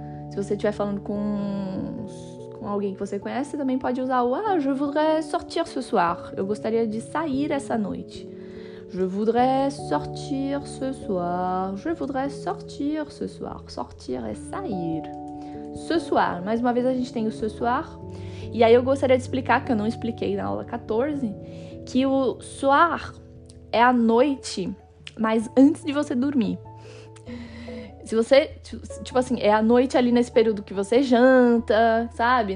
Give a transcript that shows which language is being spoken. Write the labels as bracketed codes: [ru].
[pt] Se você estiver falando com alguém que você conhece, também pode usar o [fr] je voudrais sortir ce soir. [pt] Eu gostaria de sair essa noite. [fr] Je voudrais sortir ce soir. Je voudrais sortir ce soir. [pt] Sortir é sair. Ce soir, mais uma vez a gente tem o ce soir. E aí eu gostaria de explicar, que eu não expliquei na aula 14, que o soir é a noite, mas antes de você dormir. Se você, tipo assim, é a noite ali nesse período que você janta, sabe?